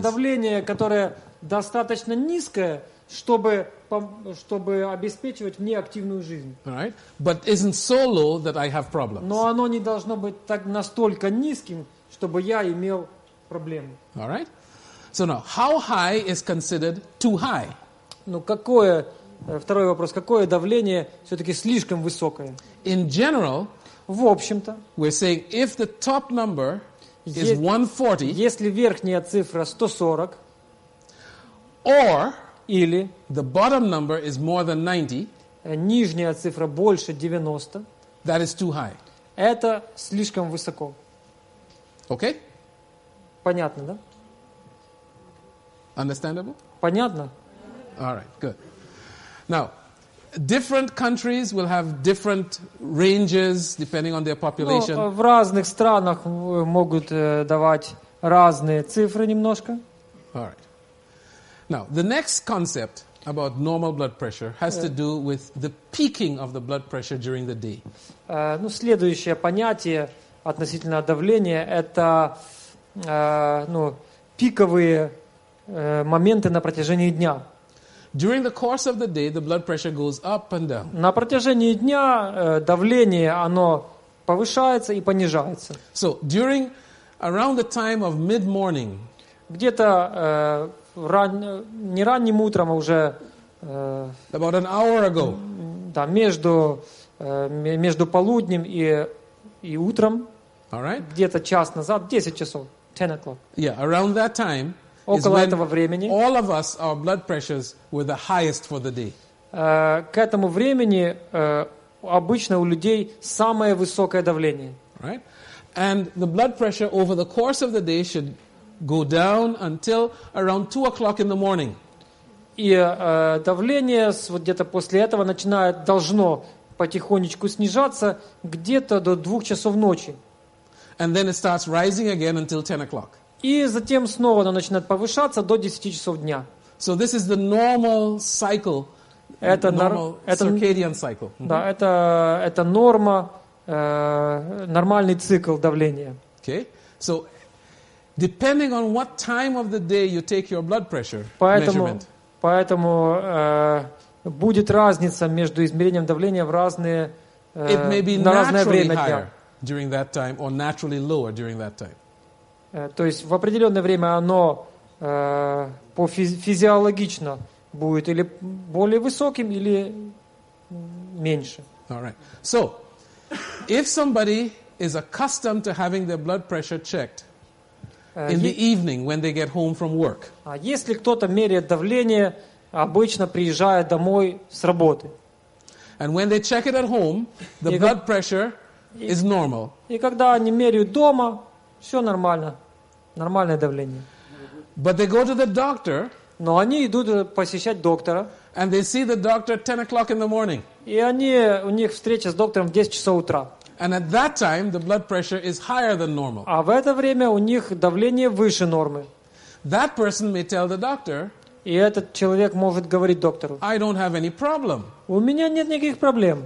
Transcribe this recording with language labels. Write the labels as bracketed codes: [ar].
[ru] Это давление, которое достаточно низкое, чтобы обеспечивать мне активную жизнь. [en] Right? But isn't so low that I have problems. [ru] Но оно не должно быть так настолько низким, чтобы я имел проблемы. [en] All right? So now, how high is considered too high? [ru] Ну, какое, второй вопрос, какое давление все-таки слишком высокое? [en] In general, [ru] в общем-то, [en] we're saying if the top number is 140, [ru] если верхняя цифра 140, [en] or [ru] или [en] the bottom number is more than 90, [ru] нижняя цифра больше 90, [en] that is too high. [ru] Это слишком высоко. [en] Okay? [ru] Понятно, да? [en] Understandable? [ru] Понятно. [en] All right, good. Now, different countries will have different ranges depending on their population. [ru] В разных странах могут давать разные цифры немножко. [en] All right. Now, the next concept about normal blood pressure has to do with the peaking of the blood pressure during the day. [ru] Ну, следующее понятие относительно давления это ну, пиковые моменты на протяжении дня. [en] During the course of the day, the blood pressure goes up and down. [ru] На протяжении дня давление оно повышается и понижается. [en] So during around the time of mid-morning, [ru] где-то не ранним утром, а уже [en] about an hour ago, [ru] да, между полуднем и утром, [en] All right? [ru] Где-то час назад, 10 часов, [en] 10 o'clock. Yeah, around that time [ru] около [en] is [ru] этого [en] when [ru] времени, [en] all of us, our blood pressures were the highest for the day. [ru] К этому времени обычно у людей самое высокое давление. [en] Right? And the blood pressure over the course of the day should go down until around 2 o'clock in the morning. [ru] И давление вот где-то после этого начинает, должно потихонечку снижаться где-то до 2 часов ночи. [en] And then it starts rising again until 10 o'clock. [ru] И затем снова оно начинает повышаться до 10 часов дня. [en] So this is the normal cycle. [ru] Это [en] circadian cycle. [ru] Да, это норма, нормальный цикл давления. [en] Okay. So depending on what time of the day you take your blood pressure measurement. [ru] Поэтому будет разница между измерением давления в разные [en] it may be [ru] на разное время дня. [en] During that time or naturally lower during that time. [ru] То есть в определенное время оно по физиологично будет или более высоким, или меньше. [en] All right. So, if somebody is accustomed to having their blood pressure checked in the evening when they get home from work. [ru] А если кто-то меряет давление, обычно приезжая домой с работы. [en] And when they check it at home, the blood pressure is normal. [ru] И когда они меряют дома, все нормально. Нормальное давление. [en] But they go to the doctor. [ru] Но они идут посещать доктора. [en] And they see the doctor at 10 o'clock in the morning. [ru] И они, у них встреча с доктором в 10 часов утра. [en] And at that time, the blood pressure is higher than normal. [ru] А в это время у них давление выше нормы. [en] That person may tell the doctor, [ru] и этот человек может говорить доктору, [en] I don't have any problem. [ru] У меня нет никаких проблем.